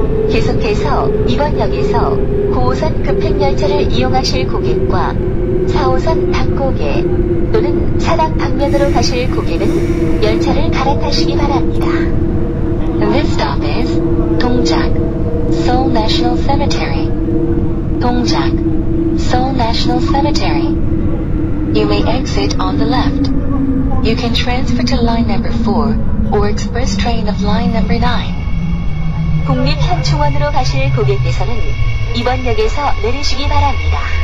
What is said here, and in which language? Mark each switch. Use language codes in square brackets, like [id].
[ko] 계속해서 이번 역에서 9호선 급행열차를 이용하실 고객과 4호선 방고객 또는 사당 방면으로 가실 고객은 열차를 갈아타시기 바랍니다. [en] This stop is 동작 Seoul National Cemetery. 동작 Seoul National Cemetery. You may exit on the left. You can transfer to line number 4 or express train of line number 9. [ko] 국립현충원으로 가실 고객께서는 이번 역에서 내리시기 바랍니다.